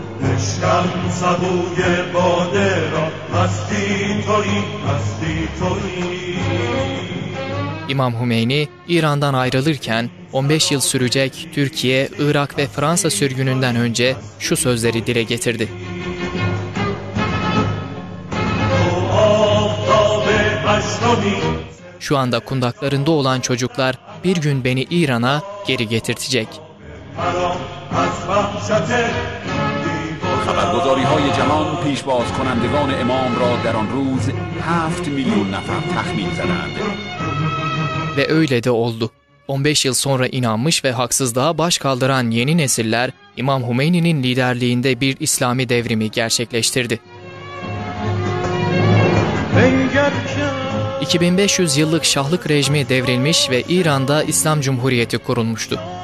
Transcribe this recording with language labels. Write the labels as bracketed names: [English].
[Persian] اشکم سبوی باده را مستی توی مستی توی. [Turkish] İmam Hümeyni, İran'dan ayrılırken 15 yıl sürecek Türkiye, Irak ve Fransa sürgününden önce şu sözleri dile getirdi. Şu anda kundaklarında olan çocuklar bir gün beni İran'a geri getirtecek. [Persian] خبرگزاری‌های جهان پیشباز کنندگان امام را در آن روز 7 میلیون نفر تخمین زدند. [Turkish] Ve öyle de oldu. 15 yıl sonra inanmış ve haksızlığa baş kaldıran yeni nesiller, İmam Hümeyni'nin liderliğinde bir İslami devrimi gerçekleştirdi. 2500 yıllık Şahlık rejimi devrilmiş ve İran'da İslam Cumhuriyeti kurulmuştu.